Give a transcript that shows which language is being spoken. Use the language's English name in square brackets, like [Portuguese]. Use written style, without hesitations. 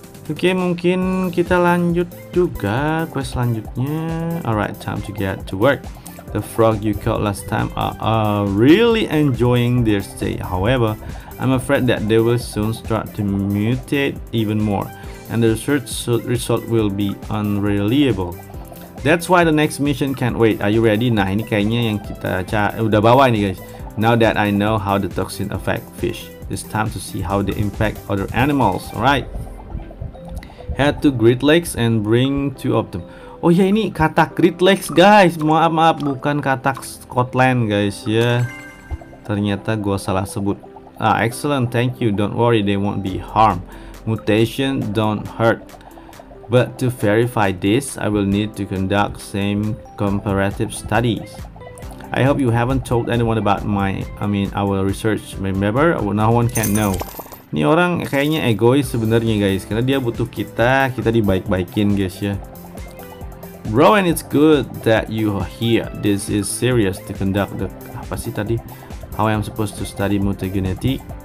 [Indonesian] Oke, mungkin kita lanjut juga quest selanjutnya. [English] Alright, time to get to work. The frog you caught last time are really enjoying their stay. However, I'm afraid that they will soon start to mutate even more. And the research result will be unreliable. That's why the next mission can't wait. Are you ready? [Indonesian] Nah, ini kayaknya yang kita udah bawa ini guys. [English] Now that I know how the toxin affect fish, it's time to see how they impact other animals. Alright. Head to Great Lakes and bring 2 of them. [Indonesian] Oh ya, ini katak Great Lakes guys. Maaf, bukan katak Scotland guys ya. Ternyata gua salah sebut. [English] Ah, excellent. Thank you. Don't worry, they won't be harmed. Mutation don't hurt, but to verify this, I will need to conduct same comparative studies. I hope you haven't told anyone about our research. Remember, no one can know. [Indonesian] Ini orang kayaknya egois sebenarnya guys, karena dia butuh kita dibaik-baikin guys ya. [English] Bro, and it's good that you are here. This is serious to conduct the [Indonesian] apa sih tadi? [English] How I am supposed to study mutagenicity?